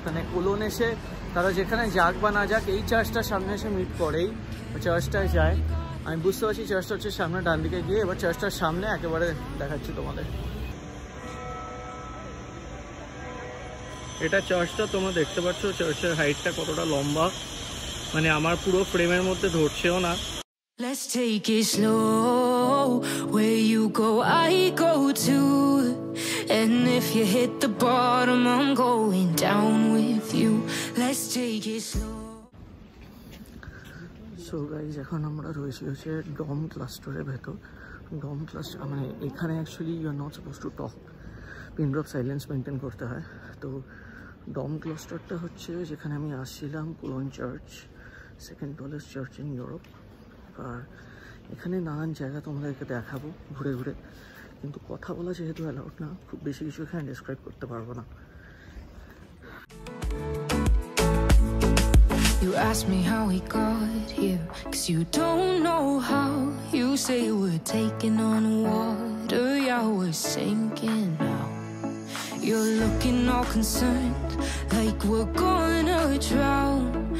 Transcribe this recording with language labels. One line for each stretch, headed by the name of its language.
Bangla: মানে কোলন এসে তারা যেখানে যাক বা না যাক এই চার্চটার সামনে এসে মিট করেই, চার্চটায় যায়। আমি বুঝতে পারছি চার্চটা হচ্ছে সামনে ডান দিকে গিয়ে, এবার চার্চটার সামনে একেবারে দেখাচ্ছি তোমাদের। এটা চার্চটা তোমরা দেখতে পাচ্ছ, চার্চের হাইটটা কতটা লম্বা, মানে আমার পুরো ফ্রেমের মধ্যে ধরছেও না।
English: Let's take it slow, where you go I go too, and if you hit the bottom I'm going down with you. Let's take it slow. So guys,
Bangla: এখন আমরা রয়েছি হচ্ছে ডম ক্লাস্টারের ভেতর। ডম ক্লাস্টার মানে এখানে actually
English: you are not suppose to talk,
Bangla: pin drop silence maintain করতে হয়। তো ডম ক্লাস্টারটা হচ্ছে যেখানে আমি আসছিলাম, colon church,
English: Second tallest church in Europe.
Bangla: আর এখানে নানান জায়গা তোমাদেরকে দেখাবো ঘুরে ঘুরে, কিন্তু কথা বলা যেহেতু অ্যালাউড না, খুব বেশি কিছু এখানে ডিসক্রাইব করতে পারবো না।
English: You ask me how we got here, 'cause you don't know how. You say we're taking on water, yeah, we're sinking now. You're looking all concerned, like we're gonna drown.